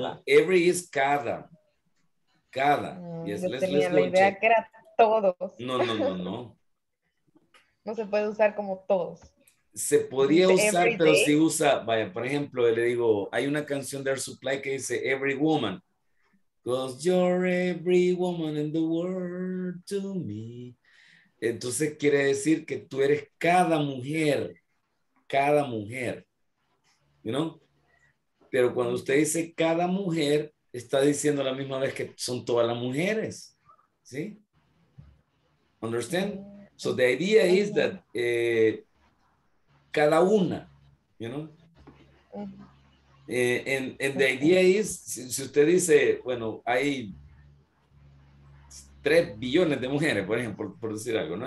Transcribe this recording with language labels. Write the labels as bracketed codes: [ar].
[en] No, every is cada. Cada. Yes, let's go [es] check. Yo tenía la idea que era todos. No. No se puede usar como todos. Se podría usar, pero si usa, vaya, por ejemplo, le digo, hay una canción de Air Supply que dice Every Woman. [en] Because you're every woman in the world to me. [es] Entonces quiere decir que tú eres cada mujer. Cada mujer. [en] You know? [es] Pero cuando usted dice cada mujer, está diciendo a la misma vez que son todas las mujeres. ¿Sí? [en] Understand? So the idea is that [es] cada una, [en] you know? And the idea is, [es] si usted dice, bueno, hay 3 billones de mujeres, por ejemplo, por decir algo, ¿no?